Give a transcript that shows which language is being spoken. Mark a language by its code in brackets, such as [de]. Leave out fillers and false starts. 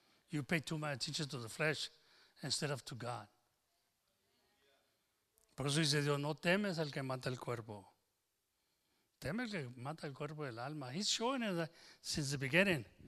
[en] You pay too much attention to the flesh instead of to God. [es] Por eso dice Dios, no temes al que mata el cuerpo. Teme al que mata el cuerpo y el alma. [en] He's showing us that since the beginning.